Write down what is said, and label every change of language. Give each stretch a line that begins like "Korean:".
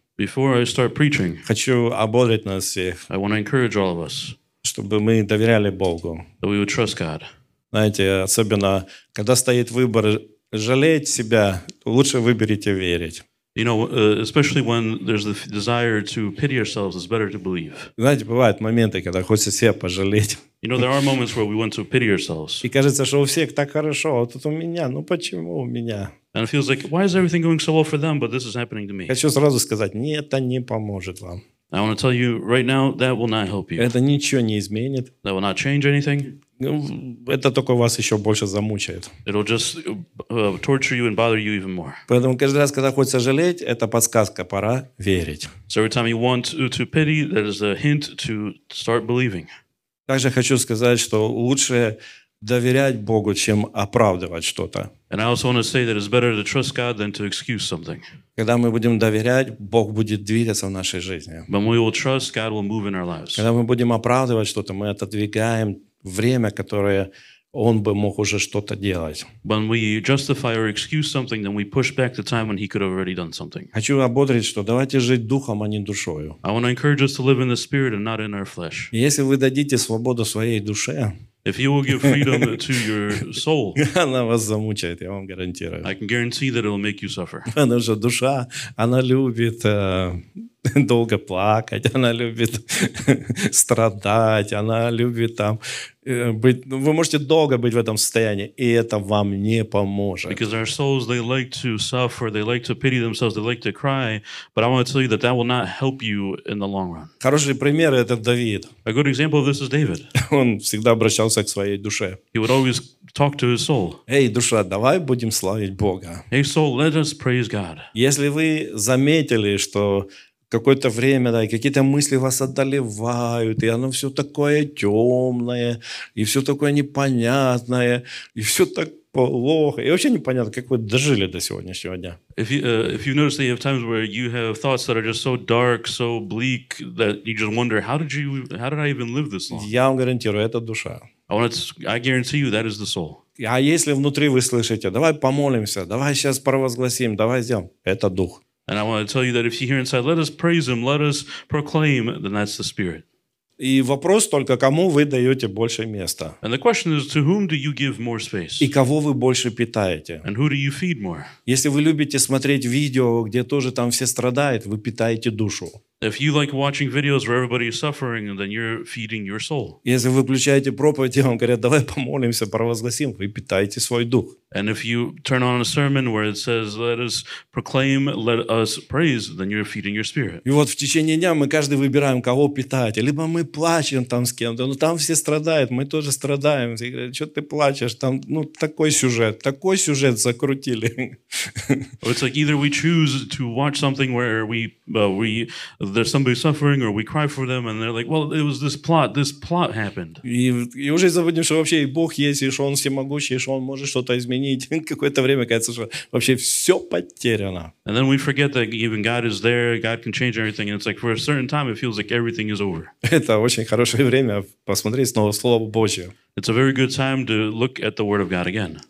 English: before I start preaching,
Russian: хочу ободрить нас всех,
English: I want to encourage all of us,
Russian: чтобы мы доверяли Богу.
English: That we would trust God.
Russian: Знаете, особенно, когда стоит выбор жалеть себя, лучше выберите верить.
English: You know, especially when there's the desire to pity ourselves, it's better to believe.
Russian: Знаете, бывают моменты, когда хочется себя пожалеть.
English: You know, there are moments where we want to pity ourselves.
Russian: И кажется, что у всех так хорошо, а тут у меня, ну почему у меня?
English: And it feels like, why is everything going so well for them, but this is happening to me?
Russian: Хочу сразу сказать, нет, это не поможет вам.
English: I want to tell you right now, that will not help you.
Russian: Это ничего не изменит.
English: That will not change anything.
Russian: Это только вас еще больше замучает.
English: It'll just torture you and bother you even more.
Russian: Поэтому каждый раз, когда хочется жалеть, это подсказка, пора верить.
English: So every time you want to pity, that is a hint to start believing.
Russian: Также хочу сказать, что лучше доверять Богу, чем оправдывать что-то.
English: And I also want to say that it's better to trust God than to excuse something.
Russian: Когда мы будем доверять, Бог будет двигаться в нашей жизни.
English: When we will trust, God will move in our lives.
Russian: Когда мы будем оправдывать что-то, мы отодвигаем время, которое он бы мог уже что-то делать.
English: When we justify or excuse something, then we push back the time when he could have already done something.
Russian: Хочу ободрить, что давайте жить духом, а не душою.
English: I want to encourage us to live in the spirit and not in our flesh.
Russian: Если вы дадите свободу своей душе,
English: if you will give freedom to your soul,
Russian: она вас замучает, я вам гарантирую.
English: I can guarantee that it will make you suffer.
Russian: Потому что душа, она любит долго плакать, она любит страдать, она любит там быть. Вы можете долго быть в этом состоянии, и это вам не поможет.
English: Because our souls, they like to suffer, they like to pity themselves, they like to cry, but I want to tell you that that will not help you in the long run.
Russian: Хороший пример – это Давид.
English: A good example of this is David.
Russian: Он всегда обращался к своей душе.
English: He would always talk to his soul.
Russian: Эй, душа, давай будем славить Бога.
English: Hey, soul, let us praise God.
Russian: Если вы заметили, что какое-то время, да, и какие-то мысли вас одолевают, и оно все такое темное, и все такое непонятное, и все так плохо. И вообще непонятно, как вы дожили до сегодняшнего дня.
English: If you notice that you have times where you have thoughts that are just so dark, so bleak, that you just wonder, how did I even live this long?
Russian: Я вам гарантирую, это душа.
English: I guarantee you, that is the soul.
Russian: А если внутри вы слышите, давай помолимся, давай сейчас провозгласим, давай сделаем, это дух.
English: And I want to tell you that if you hear inside, let us praise him, let us proclaim, then that's the spirit.
Russian: И вопрос только, кому вы даете больше места?
English: And the question is, to whom do you give more space?
Russian: И кого вы больше питаете?
English: And who do you feed more?
Russian: Если вы любите смотреть видео, где тоже там все страдают, вы питаете душу.
English: If you like watching videos where everybody is suffering, then you're feeding your soul.
Russian: Если вы включаете проповедь, вам говорят, давай помолимся, провозгласим, вы питаете свой дух.
English: And if you turn on a sermon where it says, let us proclaim, let us praise, then you're feeding your spirit.
Russian: И вот в течение дня мы каждый выбираем, кого питать. Либо мы плачем там с кем-то, но там все страдают, мы тоже страдаем. Все говорят, что ты плачешь? Там, ну, такой сюжет закрутили.
English: It's like either we choose to watch something where there's somebody suffering or we cry for them and they're like, well, it was this plot happened.
Russian: И уже забудем, что вообще и Бог есть, и что он всемогущий, и что он может что-то изменить. Какое-то время кажется, что вообще все потеряно.
English: And then we forget that even God is there, God can change everything, and it's like for a certain time it feels like everything is over.
Russian: Это очень хорошее время посмотреть снова Слово Божье.
English: It's a very good time to look at the Word of God again.